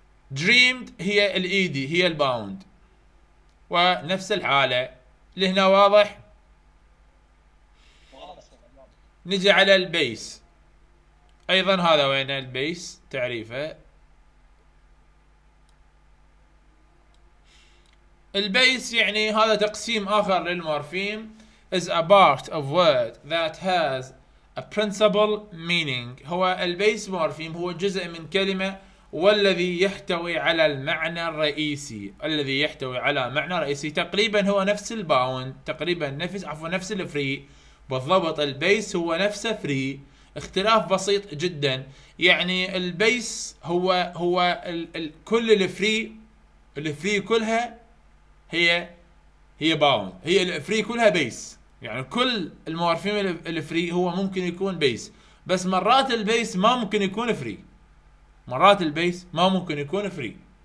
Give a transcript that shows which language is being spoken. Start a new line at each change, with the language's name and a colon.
Arabic: دريمد هي الايدي، هي الباوند، ونفس الحاله لهنا. واضح. نجي على البيس ايضا، هذا وين البيس تعريفه. البيس يعني هذا تقسيم اخر للمورفيم،
English: is a part of word that has a principal meaning.
Arabic: هو البيس مورفيم هو جزء من كلمة والذي يحتوي على المعنى الرئيسي، الذي يحتوي على معنى رئيسي. تقريبا هو نفس الباوند، تقريبا نفس الفري. بالضبط، البيس هو نفسه فري، اختلاف بسيط جدا. يعني البيس هو الـ كل الفري كلها هي باوند، هي الفري كلها بيس، يعني كل المورفين الفري هو ممكن يكون بيس، بس مرات البيس ما ممكن يكون فري، مرات البيس ما ممكن يكون فري.